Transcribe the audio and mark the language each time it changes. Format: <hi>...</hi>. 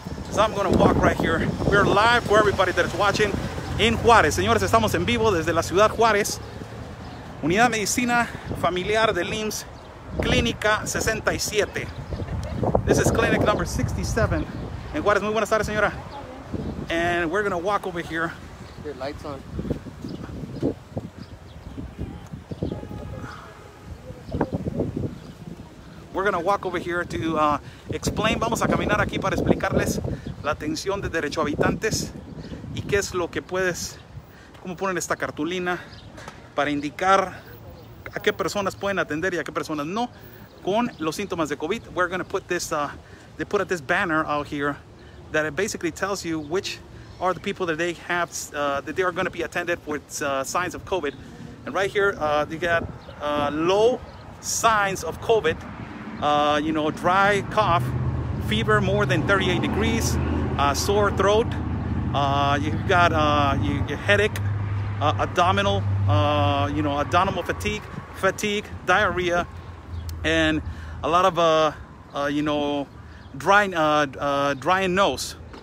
<en>So I'm gonna walk right here. We're live for everybody that is watching in Juárez.</en> <es>Señores, estamos en vivo desde la ciudad Juárez. Unidad Medicina Familiar del IMSS, Clínica 67.</es> <en>This is clinic number 67 in Juárez.</en> <es>Muy buenas tardes, señora.</es> <en>And we're gonna walk over here. Your light's on. We're gonna walk over here to explain.</en> <es>Vamos a caminar aquí para explicarles la atención de derechohabitantes y qué es lo que puedes, cómo ponen esta cartulina para indicar a qué personas pueden atender y a qué personas no. Con los síntomas de COVID,</es> <en>we're going to put this, they put this banner out here that it basically tells you which are the people that they have, that they are going to be attended with signs of COVID. And right here, you got low signs of COVID, you know, dry cough, fever more than 38 degrees, sore throat, you've got your headache, abdominal, you know, abdominal fatigue, diarrhea, and a lot of you know, dry nose.</en>